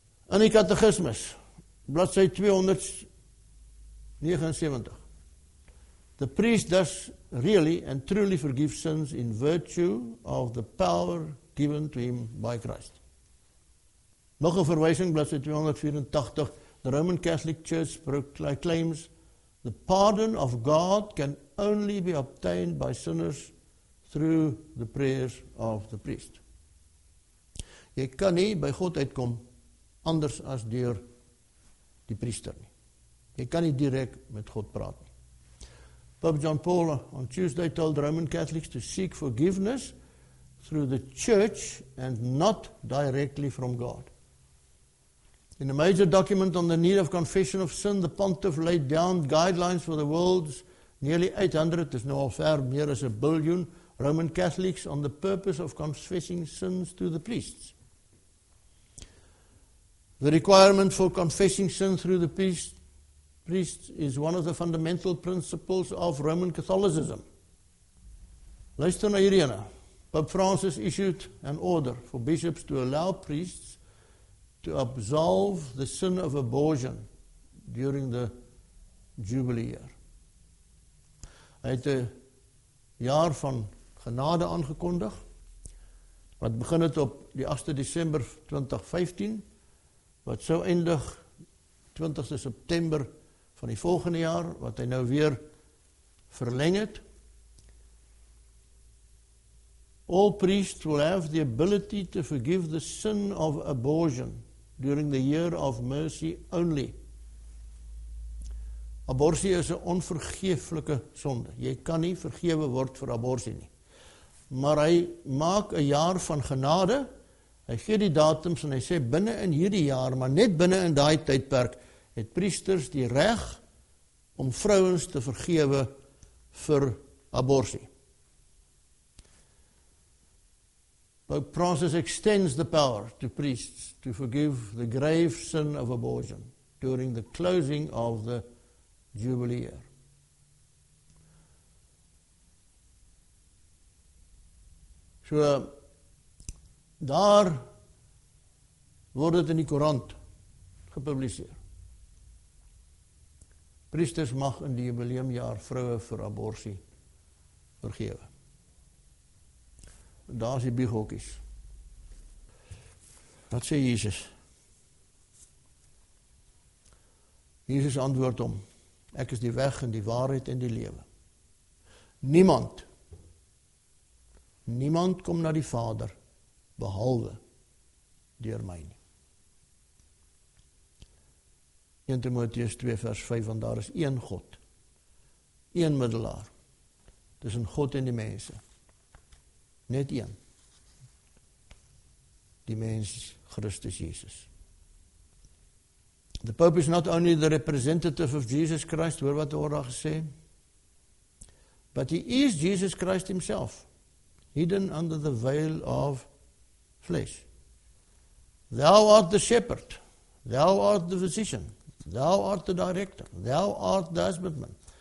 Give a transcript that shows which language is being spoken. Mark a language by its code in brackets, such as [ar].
[af] In die katechismus, bladsy 279. [en] The priest does really and truly forgive sins in virtue of the power given to him by Christ. [af] Nog 'n verwysing, bladsy 284. [en] The Roman Catholic Church proclaims the pardon of God can only be obtained by sinners through the prayers of the priest. [af] Jy kan nie by God uitkom anders as deur die priester nie. Jy kan nie direk met God praat nie. [en] Pope John Paul on Tuesday told Roman Catholics to seek forgiveness through the church and not directly from God. In a major document on the need of confession of sin, the pontiff laid down guidelines for the world's nearly 800, [af] is nou al ver meer as [en] 1 billion, Roman Catholics on the purpose of confessing sins to the priests. The requirement for confessing sin through the priest is one of the fundamental principles of Roman Catholicism. [af] Luister na hierdie ene. [en] Pope Francis issued an order for bishops to allow priests to absolve the sin of abortion during the Jubilee year. [af] Hy het 'n jaar van genade aangekondig, wat begin het op die 8de December 2015, wat sou eindig 20de September van die volgende jaar, wat hy nou weer verleng het. [en] All priests will have the ability to forgive the sin of abortion during the year of mercy only. [af] Abortie is 'n onvergeeflike sonde. Jy kan nie vergewe word vir abortie nie. Maar hy maak 'n jaar van genade. Hy gee die datums en hy sê binne in hierdie jaar, maar net binne in daai tydperk, het priesters die reg om vrouens te vergewe vir abortie. [en] Pope Francis extends the power to priests to forgive the grave sin of abortion during the closing of the Jubilee year. [af] So, daar word dit in die koerant gepubliseer. Priesters mag in die jubileumjaar vroue vir abortie vergewe. Daar is die biegokkies. Wat sê Jesus? Jesus antwoord hom, ek is die weg en die waarheid en die lewe. Niemand kom na die Vader behalwe deur my nie. 1 Timoteus 2 vers 5, want daar is een God, een middelaar, tussen God en die mense, net een, die mens Christus Jesus. [en] The Pope is not only the representative of Jesus Christ, [af] hoor wat hy gesê, [en] but he is Jesus Christ himself, hidden under the veil of flesh. Thou art the shepherd, thou art the physician, thou art the director, thou art the husbandman,